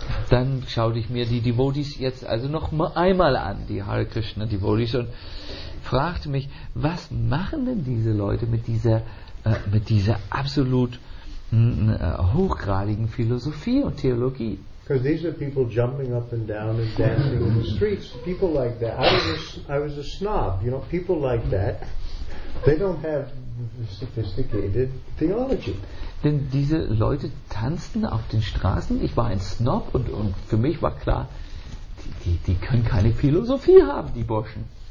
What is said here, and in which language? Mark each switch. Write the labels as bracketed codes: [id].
[de] Dann schaute ich mir die Devotees jetzt also noch einmal an, die Hare Krishna Devotees, und fragte mich, was machen denn diese Leute mit dieser absolut hochgradigen Philosophie und Theologie? [en] Because these are people jumping up and down and dancing in the streets. People like that. I was a snob, you know. People like that, they don't have sophisticated theology. [de] Denn diese Leute tanzten auf den Straßen. Ich war ein Snob und für mich war klar, die können keine Philosophie haben, die Burschen.